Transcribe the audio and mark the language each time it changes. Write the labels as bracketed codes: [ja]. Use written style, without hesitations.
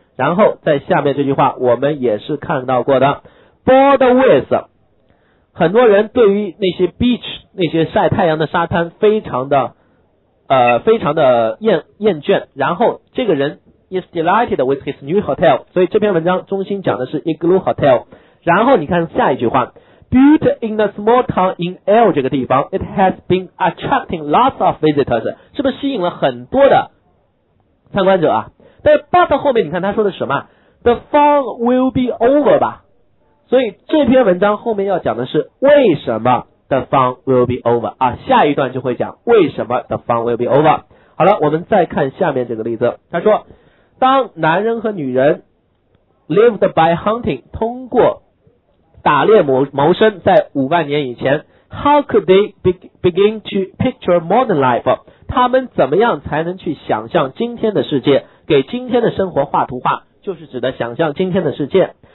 [zh] 然后在下面这句话我们也是看到过的， [en] Bored with, [zh] 很多人对于那些 Beach 那些晒太阳的沙滩非常的 厌倦，然后这个人 [en] is delighted with his new hotel, [zh] 所以这篇文章中心讲的是 igloo hotel。 [en] 然后你看下一句话， built in a small town in L [zh] 这个地方， [en] it has been attracting lots of visitors, [zh] 是不是吸引了很多的参观者啊？但 but 后面你看他说的什么， [en] the fog will be over [zh] 吧，所以这篇文章后面要讲的是为什么 the fog will be over 啊，下一段就会讲为什么 the fog will be over。好了，我们再看下面这个例子，他说当男人和女人 [en] lived by hunting, [zh] 通过打猎谋生，在5万年以前 [en] how could they begin to picture modern life, [zh] 他们怎么样才能去想象今天的世界，给今天的生活画图画，就是指的想象今天的世界。